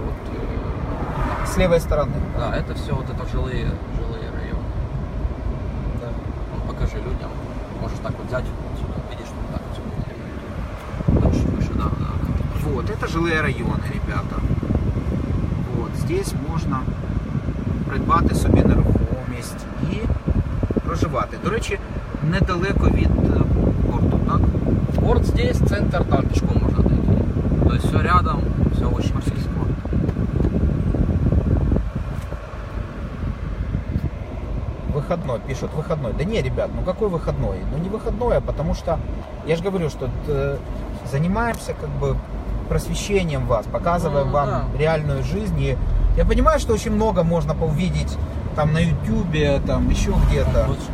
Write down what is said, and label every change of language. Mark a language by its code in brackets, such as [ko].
[ru] Вот. С левой стороны. Да, это все вот это жилые районы. Да. Ну, покажи людям. Можешь так вот взять вот сюда. Видишь, вот так вот сюда. Чуть выше, да. Вот, это жилые районы, ребята. Вот, здесь можно [uk] придбати собі нерухомість і проживати. До речі, недалеко від порту, так? [ru] Порт здесь, центр там [uk] пішком можна [ru] дойти. То есть все рядом, все очень близко. Выходной, пишут, выходной. Да не, ребят, ну какой выходной? Ну не выходной, а потому что, я же говорю, что занимаемся как бы просвещением вас, показываем вам реальную жизнь. И я понимаю, что очень много можно увидеть там на Ютубе, там еще где-то.